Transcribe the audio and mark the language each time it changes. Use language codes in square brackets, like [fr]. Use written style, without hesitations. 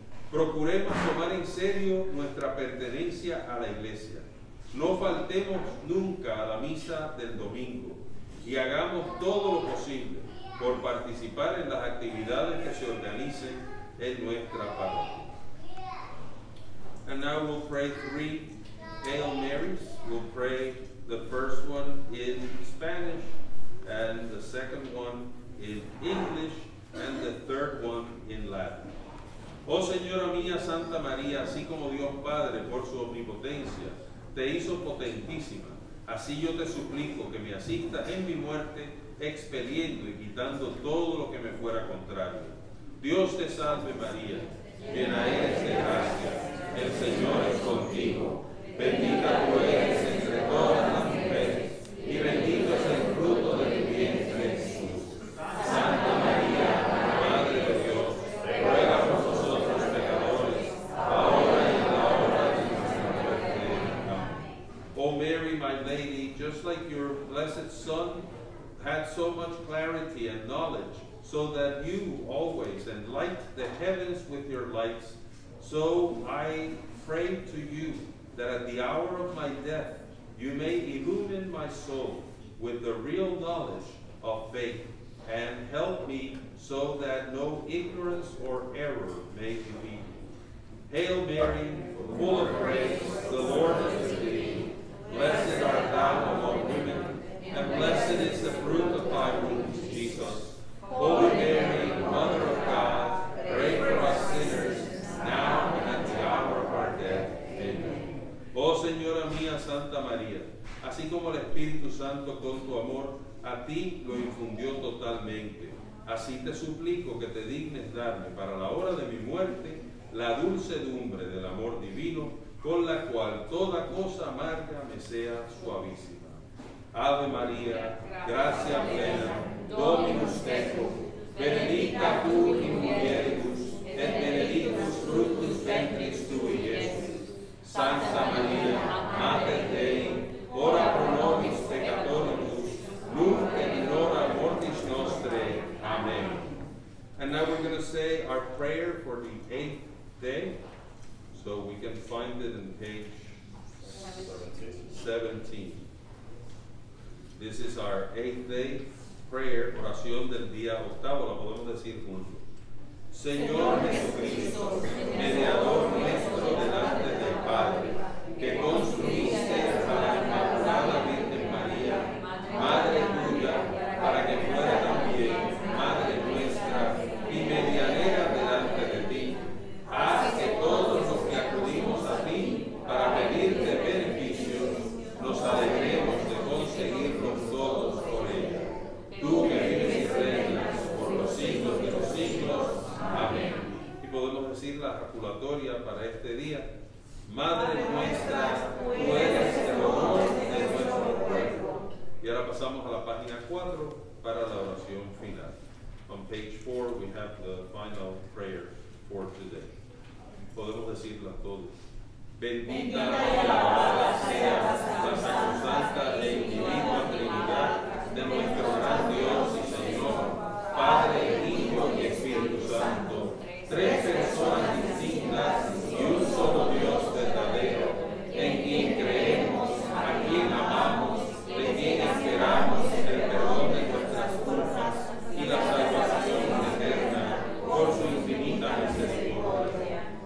[es] Procuremos tomar en serio nuestra pertenencia a la Iglesia. No faltemos nunca a la misa del domingo y hagamos todo lo posible por participar en las actividades que se organicen en nuestra parroquia. [en] And now we'll pray three Hail Marys. We'll pray the first one in Spanish and the second one in English and the third one in Latin. [es] Oh Señora mía Santa María, así como Dios Padre por su omnipotencia te hizo potentísima, así yo te suplico que me asistas en mi muerte, expeliendo y quitando todo lo que me fuera contrario. Dios te salve María, llena eres de gracia, el Señor es contigo. Bendita tú eres entre todas las mujeres, y bendito es el fruto de tu vientre, Jesús. Santa María, Madre de Dios, ruega por nosotros pecadores, ahora y en la hora de nuestra muerte. Amén. [en] Oh Mary, my Lady, just like your blessed Son had so much clarity and knowledge, so that you always enlight the heavens with your lights, so I pray to you that at the hour of my death, you may illumine my soul with the real knowledge of faith and help me so that no ignorance or error may defeat me. Hail Mary, full of grace, the Lord is with thee. Blessed art thou among women, and blessed is the fruit of thy womb, Jesus. Holy Mary, Mother of God, pray for us sinners, now and at the hour of our death. Amen. [es] Oh, Señora mía, Santa María, así como el Espíritu Santo con tu amor a ti lo infundió totalmente, así te suplico que te dignes darme para la hora de mi muerte la dulcedumbre del amor divino con la cual toda cosa amarga me sea suavísima. [la] Ave María, gracia plena, Dominus tecum, benedicta tu in mulieribus, et benedictus fructus ventris tui, Jesus. Santa Maria, Mater Dei, ora pro nobis peccatoribus, nunc et in hora mortis nostre. Amen. [en] And now we're going to say our prayer for the eighth day, so we can find it in page 17. This is our eighth day. [es] Prayer, oración del día octavo, la podemos decir juntos. Señor Jesucristo, mediador nuestro delante del Padre, que construiste a la Inmaculada Virgen María, madre tuya, para que fuera también madre nuestra y medianera delante de ti, haz que todos los que acudimos a ti para pedirte beneficios nos alegremos de conseguirlos todos. Tú que vives y reinas por los siglos de los siglos. Amén. Y podemos decir. jaculatoria para este día. Madre nuestra, tú eres el honor de nuestro cuerpo. Y ahora pasamos a la página 4 para la oración final. [en] On page 4 we have the final prayer for today. [es] Podemos decirla todos. Bendita y alabada sea la Santa e Infinita Trinidad de nuestro gran Dios y Señor, Padre, Hijo y Espíritu Santo, tres personas distintas y un solo Dios verdadero, en quien creemos, a quien amamos, de quien esperamos el perdón de nuestras culpas y la salvación eterna por su infinita misericordia.